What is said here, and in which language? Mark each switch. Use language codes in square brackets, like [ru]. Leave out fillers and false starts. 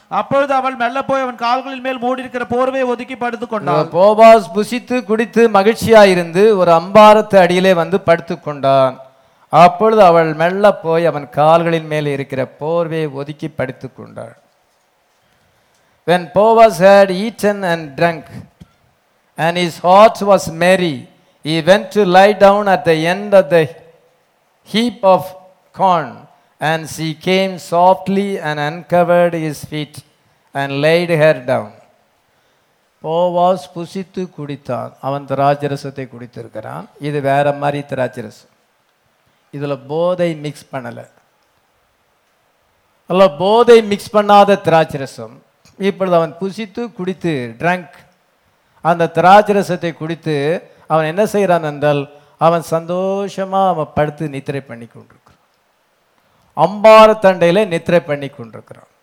[ta] அப்பொழுது அவள் மெல்ல போய் அவன் கால்களின் மேல் மூடி இருக்கிற போர்வை ஒதுக்கி படுத்துக் கொண்டான். போவாஸ் புசித்து குடித்து மகிழ்ச்சியாயிருந்து ஒரு அம்பாரத்து அடியிலே வந்து படுத்துக் கொண்டான். அப்பொழுது அவள் மெல்ல போய் அவன் கால்களின் மேல் இருக்கிற போர்வை ஒதுக்கி படுத்துக் கொண்டாள். [en] When Boaz had eaten and drunk and his heart was merry, he went to lie down at the end of the heap of corn. And she came softly and uncovered his feet and laid her down. [ta] Boaz புசித்து குடித்தான். அவன் திராட்சரசத்தை குடித்திருக்கிறான். இது வேற மாதிரி திராட்சரசம். இதில் போதை mix பண்ணலை. அல்ல, போதை மிக்ஸ் பண்ணாத திராட்சரசம். இப்பொழுது அவன் புசித்து குடித்து ட்ரங்க் அந்த திராட்சரசத்தை குடித்து அவன் என்ன செய்கிறான் என்றால், அவன் சந்தோஷமாக அவன் படுத்து நித்திரை பண்ணி கொண்டு அம்பாரத்தண்டையில் நித்திரை பண்ணி கொண்டிருக்கிறான்.